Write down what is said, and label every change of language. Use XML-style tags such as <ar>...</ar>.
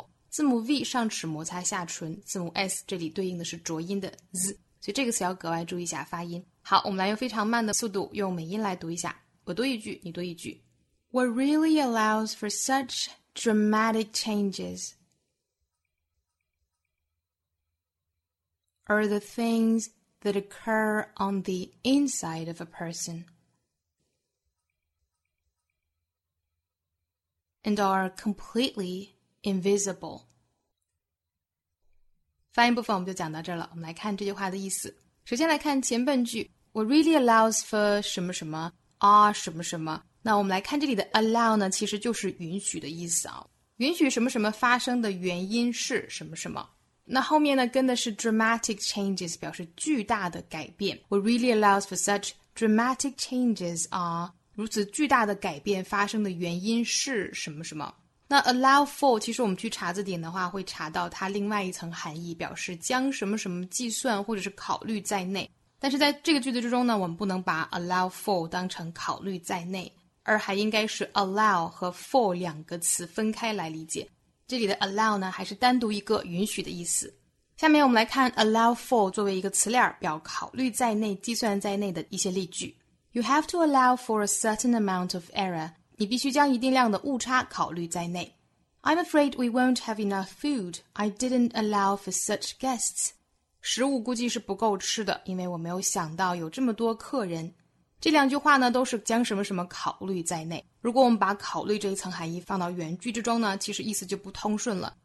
<zh>字母 v 上齿摩擦下唇，字母 s 这里对应的是浊音的 z， 所以这个词要格外注意一下发音。好，我们来用非常慢的速度用美音来读一下，我读一句，你读一句。</zh> <en>What really allows for such dramatic changes are the things that occur on the inside of a person. And are completely invisible.</en> <zh>发音部分我们就讲到这了，我们来看这句话的意思。首先来看前半句</zh> <en>What really allows for</en> <zh>什么什么 are 什么什么。那我们来看这里的 allow 呢，其实就是允许的意思啊。允许什么什么发生的原因是什么什么。那后面呢跟的是 dramatic changes， 表示巨大的改变。</zh> <en>What really allows for such dramatic changes are...</en> <zh>如此巨大的改变发生的原因是什么什么。那 allow for 其实我们去查字典的话会查到它另外一层含义，表示将什么什么计算或者是考虑在内，但是在这个句子之中呢我们不能把 allow for 当成考虑在内，而还应该是 allow 和 for 两个词分开来理解。这里的 allow 呢还是单独一个允许的意思。下面我们来看 allow for 作为一个词链表考虑在内计算在内的一些例句。</zh> <en>You have to allow for a certain amount of error.</en> <zh>你必须将一定量的误差考虑在内。</zh> <en>I'm afraid we won't have enough food. I didn't allow for such guests.</en> <zh>食物估计是不够吃的，因为我没有想到有这么多客人。这两句话呢，都是将什么什么考虑在内。如果我们把考虑这一层含义放到原句之中呢，其实意思就不通顺了。</zh>